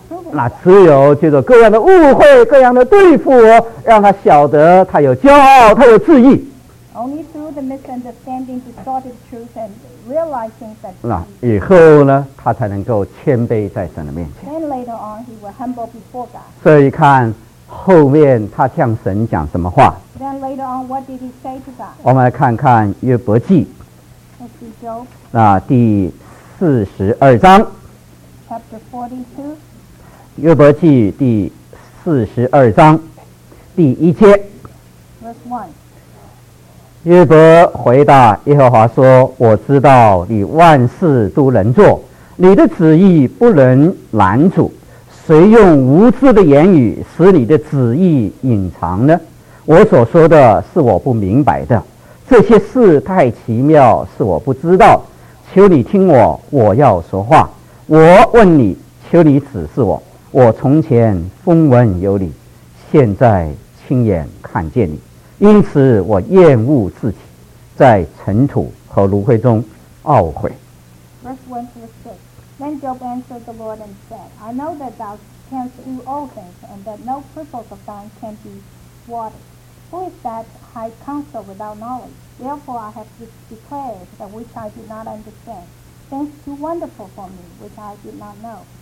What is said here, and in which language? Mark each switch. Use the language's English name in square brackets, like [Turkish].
[Chinese] 那只有借着各样的误会、各样的对付，让他晓得他有骄傲，他有自义。 [English] Only through the misunderstanding, distorted truth, and realizing that. [Chinese] 那以后呢，他才能够谦卑在神的面前。 [English] Then later on, he will humble before God. [Chinese] 所以看后面他向神讲什么话。 [English] Then later on, what did he say to God? [Chinese] 我们来看看约伯记。 [English] Let's see Job. [Chinese] 那第四十二章。 [English] Chapter 42. [Chinese] 约伯记第四十二章第一节。约伯回答耶和华说，我知道你万事都能做，你的旨意不能拦阻，谁用无知的言语使你的旨意隐藏呢？我所说的是我不明白的，这些事太奇妙，是我不知道。求你听我，我要说话，我问你，求你指示我。我从前风闻有你，现在亲眼看见你，因此我厌恶自己在尘土和炉灰中懊悔。 [English] Verse 1 through 6. Then Job answered the Lord and said, I know that thou canst do all things, and that no purpose of thine can be thwarted. Who is that high counsel without knowledge? Therefore I have declared that which I did not understand, things too wonderful for me, which I did not know.